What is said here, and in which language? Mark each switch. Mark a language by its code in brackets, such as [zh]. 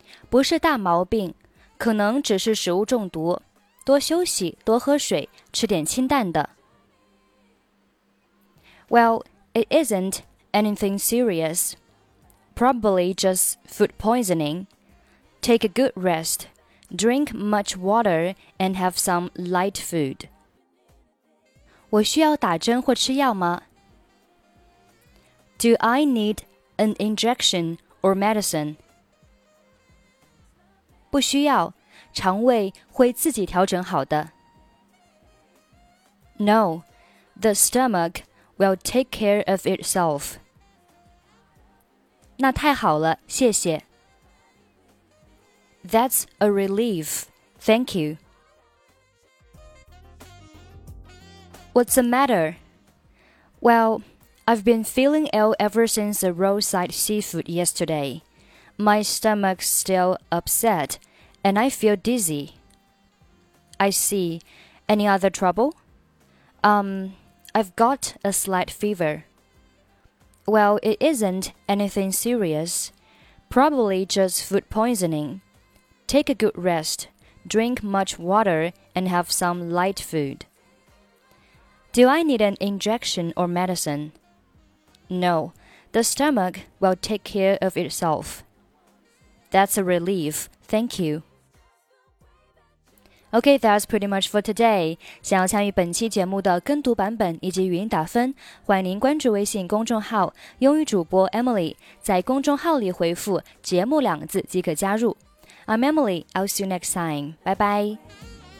[zh] 不是大毛病，可能只是食物中毒，多休息，多喝水，吃点清淡的。 [en] Well, it isn't anything serious. Probably just food poisoning. Take a good rest, drink much water, and have some light food. [zh] 我需要打针或吃药吗？ [en] Do I need an injection or medicine? [zh] 不需要，肠胃会自己调整好的。 [en] No, the stomach will take care of itself. [zh] 那太好了，谢谢。 [en] That's a relief, thank you. What's the matter? Well, I've been feeling ill ever since the roadside seafood yesterday. My stomach's still upset. And I feel dizzy. I see. Any other trouble? I've got a slight fever. Well, it isn't anything serious. Probably just food poisoning. Take a good rest. Drink much water and have some light food. Do I need an injection or medicine? No. The stomach will take care of itself. That's a relief. Thank you. Okay, that's pretty much for today. [zh] 想要参与本期节目的跟读版本以及语音打分，欢迎您关注微信公众号英语主播 Emily， 在公众号里回复节目两个字即可加入。 [en] I'm Emily, I'll see you next time. Bye bye.